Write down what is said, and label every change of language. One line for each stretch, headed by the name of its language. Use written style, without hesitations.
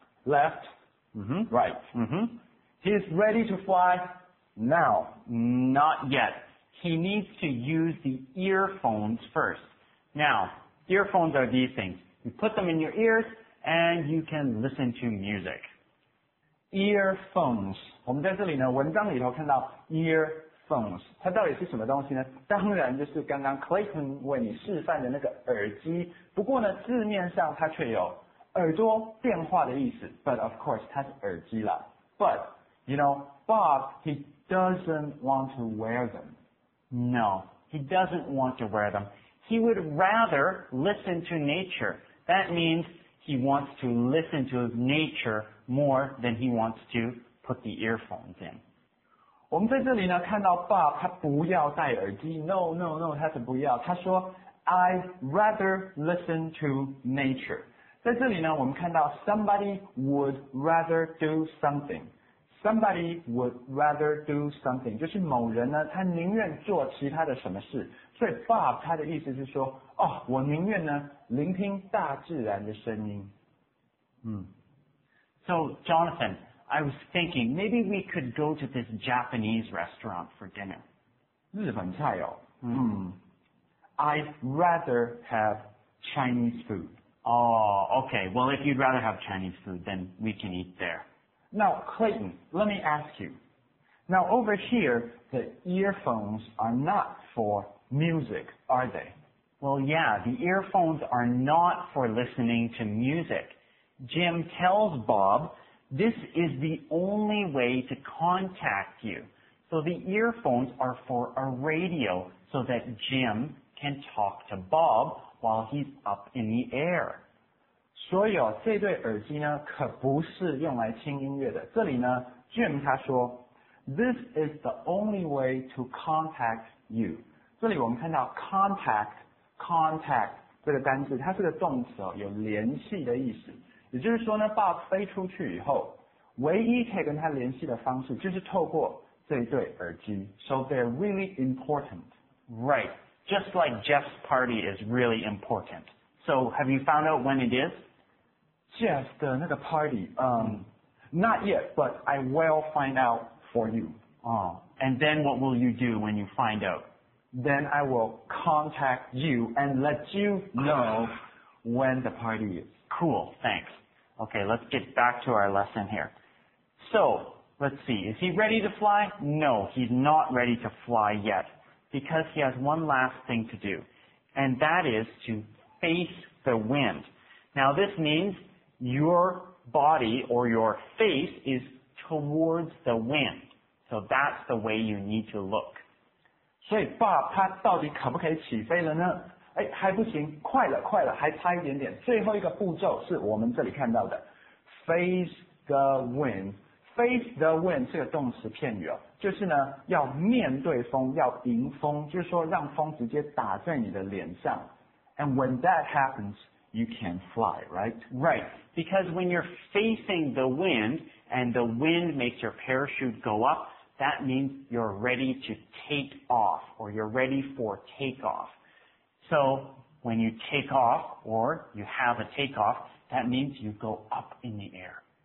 English: Left, right. He's ready to fly now. Not yet. He needs to use the earphones first. Now, earphones are these things. You put them in your ears and you can listen to music. Earphones.
Chinese: 我们在这里呢，文章里头看到 earphones. 它到底是什么东西呢？当然就是刚刚 Clayton 为你示范的那个耳机。不过呢，字面上它却有耳朵电话的意思。
English: But of course,
Chinese: 它是耳机啦。
English: But, you know, Bob, he doesn't want to wear them. No, he doesn't want to wear them. He would rather listen to nature. That means he wants to listen to nature more than he wants to put the earphones in.
Chinese: 我们在这里呢，看到 Bob, 他不要戴耳机。
English: No,
Chinese: 他是不要。他说
English: I'd rather listen to nature.
Chinese: 在这里呢，我们看到
English: somebody would rather do something. Somebody would rather do something.
Chinese: 就是某人呢，他宁愿做其他的什么事。所以 Bob 他的意思是说，哦，我宁愿呢，聆听大自然的声音。
English: So, Jonathan, I was thinking, maybe we could go to this Japanese restaurant for dinner.
Chinese: 日本菜哦。
English: I'd rather have Chinese food. Oh, okay. Well, if you'd rather have Chinese food, then we can eat there. Now, Clayton, let me ask you. Now, over here, the earphones are not for music, are they? Well, yeah, the earphones are not for listening to music. Jim tells Bob, this is the only way to contact you. So the earphones are for a radio so that Jim can talk to Bob while he's up in the air.
Chinese: 所以哦，这对耳机呢，可不是用来听音乐的。这里呢
English: ，Jim
Chinese: 他说
English: ，This is the only way to contact you。
Chinese: 这里我们看到 contact 这个单字，它是个动词哦，有联系的意思。也就是说呢 ，Bob 飞出去以后，唯一可以跟他联系的方式就是透过这对耳机。
English: So they're really important, right? Just like Jeff's party is really important. So, have you found out when it is? Jeff
Chinese: 的那个
English: party, not yet, but I will find out for you. Oh, and then what will you do when you find out? Then I will contact you and let you know when the party is. Cool, thanks. Okay, let's get back to our lesson here. So, let's see, is he ready to fly? No, he's not ready to fly yet. Because he has one last thing to do, and that is to face the wind. Now, this means your body or your face is towards the wind. So that's the way you need to look.
Chinese: 所以 Bob 他到底可不可以起飞了呢？哎，还不行，快了，快了，还差一点点。最后一个步骤是我们这里看到的
English: face the wind. Face the wind
Chinese: 是个动词片语哦，就是呢要面对风，要迎风，就是说让风直接打在你的脸上。
English: And when that happens, you can fly, right? Right. Because when you're facing the wind and the wind makes your parachute go up, that means you're ready to take off or you're ready for takeoff. So when you take off or you have a takeoff, that means you go up in the air.